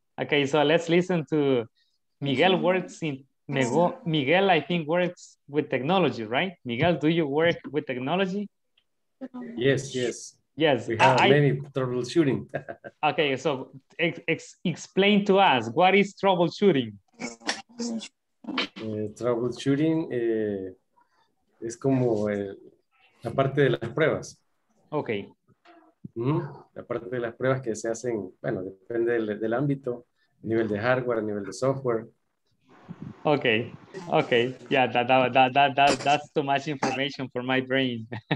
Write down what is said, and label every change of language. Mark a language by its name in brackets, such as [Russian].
[English] Okay, so let's listen to Miguel works in... Miguel, I think, works with technology, right? Miguel, do you work with technology? Yes, yes. Yes. We have many troubleshooting. Okay, so explain to us, what is troubleshooting? [Spanish] Troubleshooting es como la parte de las pruebas. [English] Okay. Mm-hmm. [Spanish] La parte de las pruebas que se hacen, bueno, depende del ámbito, a nivel de hardware, a nivel de software. [English] Okay, okay, yeah, that's too much information for my brain.